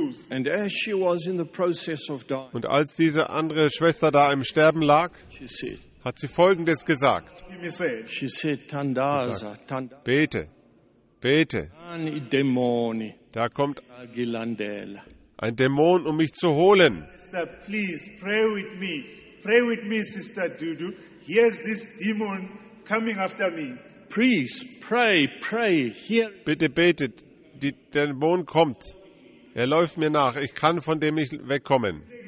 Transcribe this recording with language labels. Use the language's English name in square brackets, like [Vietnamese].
[English] And as she was in the process of dying, [German] und als diese andere Schwester da im Sterben lag, [English] she said, [German] hat sie Folgendes gesagt. [English] She said, [Zulu] Tandaza, Tandaza, [German] bete, bete. [Zulu] Demoni, [German] da kommt [Zulu] Gilandela, [German] ein Dämon, um mich zu holen. [English] Sister, please pray with me. Pray with me, Sister Dudu. Here's this demon coming after me. Please pray, pray. Here. [German] Bitte betet, der Dämon kommt. Er läuft mir nach, ich kann von dem nicht wegkommen.